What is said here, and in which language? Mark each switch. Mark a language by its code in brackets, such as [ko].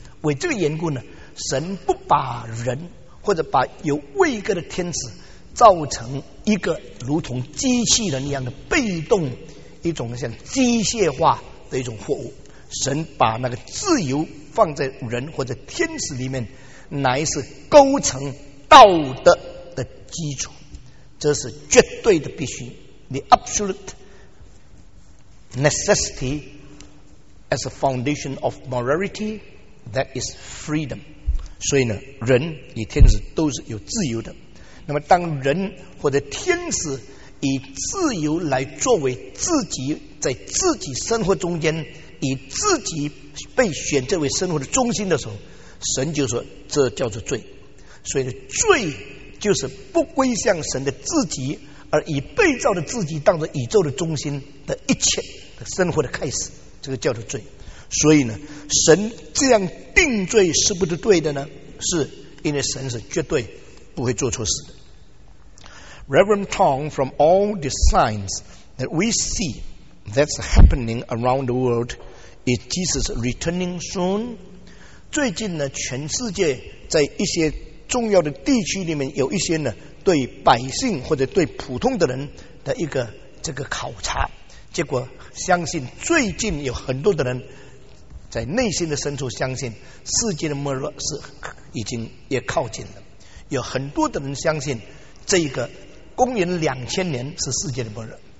[zh] 为这个缘故呢，神不把人或者把有位格的天使造成一个如同机器人一样的被动，一种像机械化的一种货物。神把那个自由放在人或者天使里面，乃是构成道德的基础，这是绝对的必须。 [en] The absolute necessity as a foundation of morality, that is freedom. [zh] 所以呢，人与天使都是有自由的。那么当人或者天使以自由来作为自己在自己生活中间以自己被选择为生活的中心的时候，神就说这叫做罪。所以呢，罪就是不归向神的自己，而以被造的自己当作宇宙的中心的一切的生活的开始，这个叫做罪。所以呢，神这样定罪是不是对的呢？是，因为神是绝对不会做错事的。 [en] Reverend Tong, from all the signs that we see that's happening around the world, is Jesus returning soon? [zh] 最近呢，全世界在一些重要的地区里面有一些呢，对百姓或者对普通的人的一个这个考察，结果相信最近有很多的人在内心的深处相信世界的末日是已经也靠近了，有很多的人相信这个公元2000年是世界的末日，